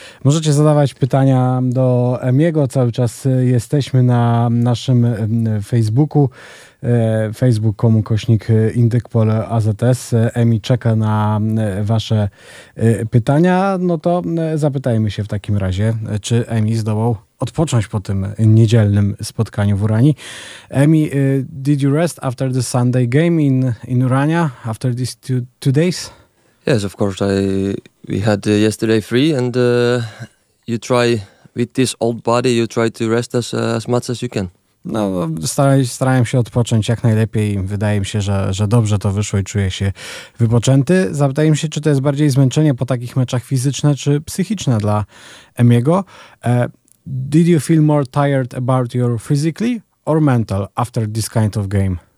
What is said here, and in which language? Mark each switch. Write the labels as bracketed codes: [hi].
[pl] Możecie zadawać pytania do Emiego. Cały czas jesteśmy na naszym Facebooku. facebook.com/IndykPolAZS. Emi czeka na wasze pytania. No to zapytajmy się w takim razie, czy Emi zdołał odpocząć po tym niedzielnym spotkaniu w Uranii. [en] Emi, did you rest after the Sunday game in Urania, after these two days? Yes, of course. We had yesterday free, and you try with this old body. You try to rest as much as you can. [pl] No, starałem się odpocząć jak najlepiej. Wydaje mi się, że dobrze to wyszło i czuję się wypoczęty. Zapytaj mi się, czy to jest bardziej zmęczenie po takich meczach fizyczne czy psychiczne dla Emiego. [en] Did you feel more tired about your physically or mental after this kind of game?